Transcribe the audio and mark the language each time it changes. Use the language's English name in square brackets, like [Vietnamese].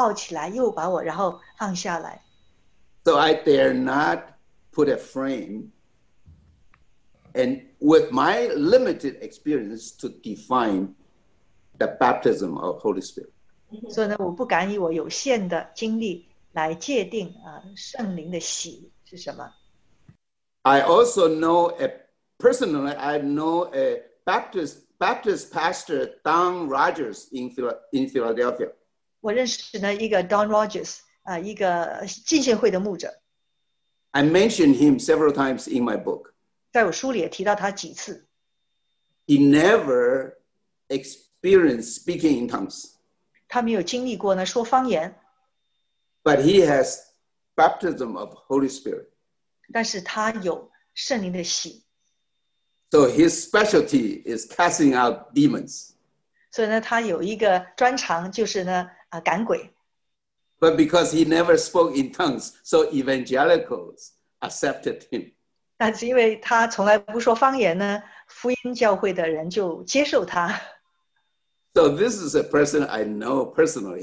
[Chinese] 那个是我所经历的圣灵的洗,就当他不断地拥抱我,亲我,把我抱起来,又把我,然后放下来。 [English] So I dare not put a frame and with my limited experience to define the baptism of Holy Spirit. [Chinese] 所以呢，我不敢以我有限的经历来界定啊圣灵的洗是什么。 [English] I also know a personally, I know a Baptist pastor Don Rogers in Philadelphia. [Chinese] 我认识呢一个 Don Rogers 啊，一个浸信会的牧者。 [English] I mentioned him several times in my book. [Chinese] 在我书里也提到他几次。 [English] He never experienced speaking in tongues. [Chinese] 他没有经历过呢说方言。 [English] But he has baptism of Holy Spirit. [Chinese] 但是他有圣灵的洗。 [English] So his specialty is casting out demons. [Chinese] 所以呢他有一个专长就是呢赶鬼。 [English] But because he never spoke in tongues, so evangelicals accepted him. [Chinese] 但是因为他从来不说方言呢，福音教会的人就接受他。 [English] So this is a person I know personally.